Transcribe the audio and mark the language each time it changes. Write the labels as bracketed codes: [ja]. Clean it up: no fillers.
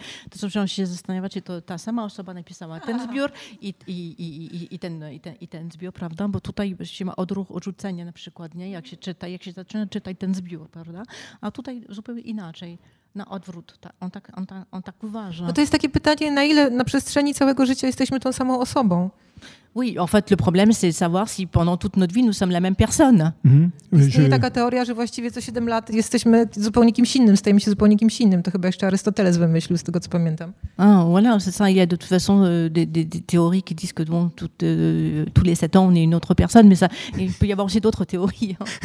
[pl] To zacząłem się zastanawiać, czy to ta sama osoba napisała ten zbiór i ten zbiór, prawda? Bo tutaj się ma odruch odrzucenia na przykład, nie? Jak się czyta, jak się zaczyna czytać ten zbiór, prawda? A tutaj zupełnie inaczej. Na odwrót. On tak uważa. No to jest takie pytanie, na ile na przestrzeni całego życia jesteśmy tą samą osobą? [fr] Oui, en fait, le problème, c'est de savoir si pendant toute notre vie, nous sommes la même personne. [pl] Istnieje taka teoria, że właściwie co 7 lat jesteśmy zupełnie kimś innym, stajemy się zupełnie kimś innym. To chyba jeszcze Arystoteles wymyślił, z tego co pamiętam. [fr] Ah, voilà, c'est ça. Il y a de toute façon des théories qui disent que bon, tous les 7 ans, on est une autre personne, mais ça, il peut y avoir aussi d'autres théories.